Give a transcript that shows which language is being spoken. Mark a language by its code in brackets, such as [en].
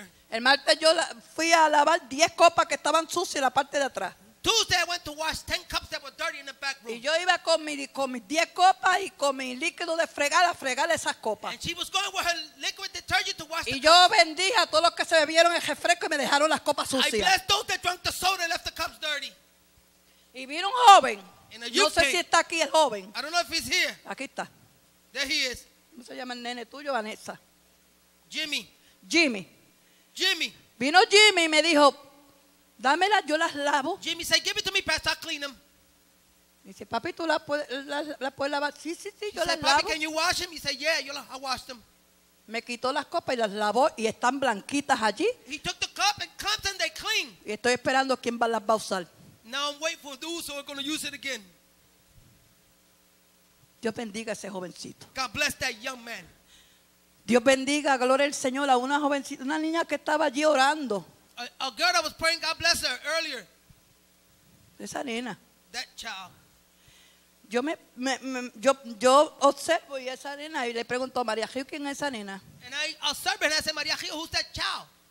[es] El martes yo fui a lavar 10 copas que estaban sucias en la parte de atrás. [en] Tuesday I went to wash 10 cups that were dirty in the back room. [es] Y yo iba con mis 10 copas y con mi líquido de fregar a fregar esas copas. [en] And she was going with her liquid detergent to wash. [es] Y yo bendije a todos los que se bebieron el refresco y me dejaron las copas sucias. [en] I blessed those that drank the soda and left the cups dirty. [es] Y vino un joven. No sé si está aquí el joven. [en] I don't know if he's here. [es] Aquí está. [en] There he is. [es] ¿Cómo se llama el nene tuyo, Vanessa? Jimmy. Vino Jimmy y me dijo: dámela, yo las lavo. [en] Jimmy said, give it to me, Pastor, I'll clean them. [es] Dice, papi, ¿tú la puedes lavar? Sí, yo las lavo. [en] He said, papi, can you wash them? He said, yeah, I washed them. [es] Me quitó las copas y las lavó y están blanquitas allí. [en] He took the cup and cups and they clean. [es] Y estoy esperando quién va las va a usar. [en] Now I'm waiting for those who are going to use it again. [es] Dios bendiga a ese jovencito. [en] God bless that young man. [es] Dios bendiga, gloria al Señor, a una jovencita, una niña que estaba allí orando. [en] A girl that was praying, God bless her, earlier. [es] Esa nena. [en] That child. [es] Yo observo y esa nena y le pregunto a María Gil, ¿quién es esa nena? [en] And I observe and I say, María Gil, who's that child?